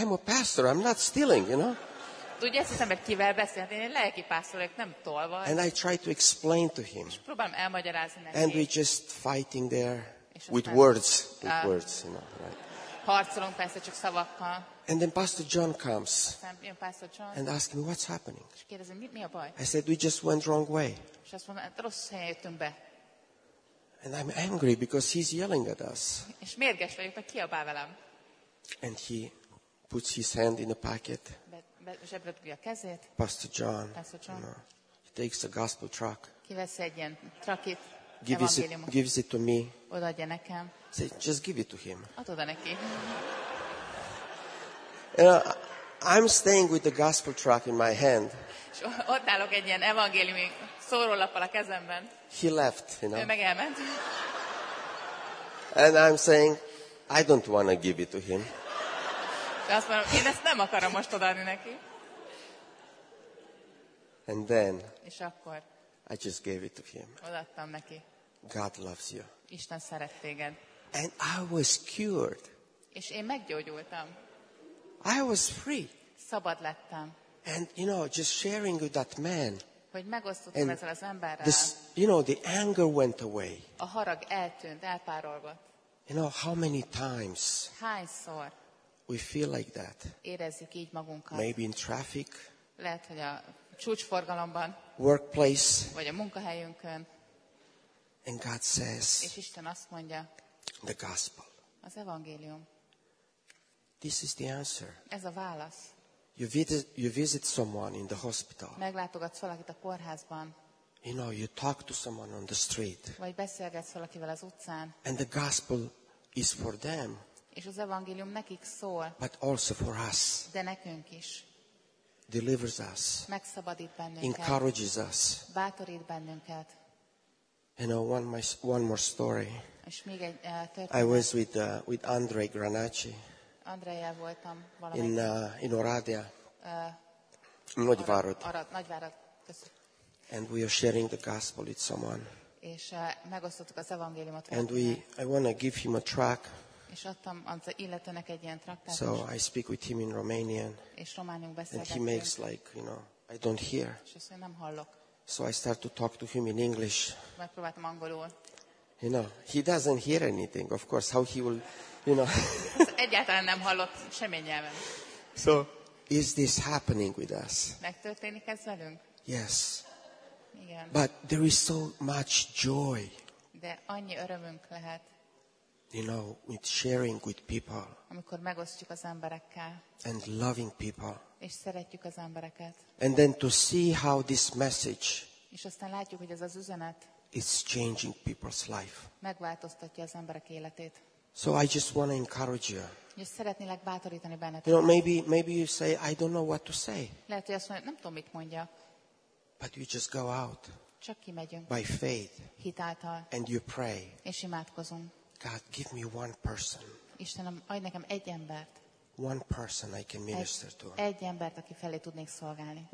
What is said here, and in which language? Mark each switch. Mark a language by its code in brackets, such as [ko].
[en] I'm a pastor, I'm not stealing, you know? [hu] Tudja, ezt hiszem, hogy kivel beszélt, én lelki pásztor vagyok, nem tolva. [en] And I try to explain to him. [hu] És próbálom elmagyarázni neki. [en] And we're just fighting there with words, you know, right? [hu] Harcolunk persze csak szavakkal. [en] And then Pastor John comes [hu] Pastor John, [en] and asks me, what's happening? [hu] Kérdezi, mi a baj? [en] I said, we just went wrong way. [hu] És azt mondom, rossz helyen jöttünk be. [en] And I'm angry because he's yelling at us. [hu] És mérges vagyok, mert kiabál velem. [en] And he puts his hand in a pocket. [hu] Zsebretgi a kezét. [en] Pastor John. No, he takes a gospel truck. [hu] Kiveszi egy ilyen truckit. [en] Gives it to me. [hu] Odaadja nekem. [en] Say, just give it to him. [hu] Add oda neki. [en] You know, I'm staying with the gospel tract in my hand. [hu] Ott állok egy ilyen evangéliumi szórólappal a kezemben. [en] He left, you know. [hu] Ő meg elment. [en] And I'm saying, I don't want to give it to him. [hu] De azt mondom, én ezt nem akarom most odaadni neki. [en] And then. [hu] És akkor. [en] I just gave it to him. [hu] Odaadtam neki. [en] God loves you. [hu] Isten szeret téged. [en] And I was cured. [hu] És én meggyógyultam. [en] I was free. [hu] Szabad lettem. [en] And you know, just sharing with that man. [hu] Hogy megosztottam ezzel az emberrel. [en] This, you know, the anger went away. [hu] A harag eltűnt, elpárolgott. [en] You know, how many times? [hu] Hányszor? [en] We feel like that. [hu] Érezzük így magunkat. [en] Maybe in traffic. [hu] Lehet, hogy a csúcsforgalomban. [en] Workplace. [hu] Vagy a munkahelyünkön. [en] And God says. [hu] És Isten azt mondja. [en] The gospel. [hu] Az evangélium. [en] This is the answer. [hu] Ez a válasz. [en] You visit someone in the hospital. [hu] Meglátogatsz valakit a kórházban. [en] You know, you talk to someone on the street. [hu] Vagy beszélgetsz valakivel az utcán. [en] And the gospel is for them. [hu] És az evangélium nekik szól. [en] But also for us. [hu] De nekünk is. [en] Delivers us. [hu] Megszabadít bennünket. [en] Encourages us. [hu] Bátorít bennünket. [en] You know, one more story. [hu] És még egy történet. [en] I was with Andrei Granacci. [hu] Andrejjel voltam valamelyik. [en] In Oradea. Nagyvárad. [hu] Nagyvárad. [en] And we are sharing the gospel with someone. [hu] És megosztottuk az evangéliumot. [en] And I want to give him a track. [hu] És adtam az illetőnek egy ilyen traktátus. [en] So I speak with him in Romanian. [hu] És románul beszélek. [en] And he makes like, you know, I don't hear. [hu] És azt mondja, nem hallok. [en] So I start to talk to him in English. [hu] Megpróbáltam angolul. [en] You know, he doesn't hear anything, of course, how he will, you know. [hu] Egyáltalán nem hallott semmi nyelven. [en] So, is this happening with us? [hu] Megtörténik ez velünk? [en] Yes. [hu] Igen. [en] But there is so much joy. [hu] De annyi örömünk lehet. [en] You know, with sharing with people. [hu] Amikor megosztjuk az emberekkel. [en] And loving people. [hu] És szeretjük az embereket. [en] And then to see how this message. [hu] És aztán látjuk, hogy ez az üzenet. [en] It's changing people's life. [hu] Megváltoztatja az emberek életét. [en] So I just want to encourage you. [hu] És szeretnélek bátorítani benneteket. [en] You know, maybe you say, I don't know what to say. [hu] Lehet, hogy azt mondja, nem tudom, mit mondja. [en] But you just go out. [hu] Csak kimegyünk. [en] By faith. [hu] Hitáltal. [en] And you pray. [hu] És imádkozunk. [en] God, give me one person. [hu] Istenem, adj nekem egy embert. [en] One person I can minister to. [hu] Egy embert, aki felé tudnék szolgálni.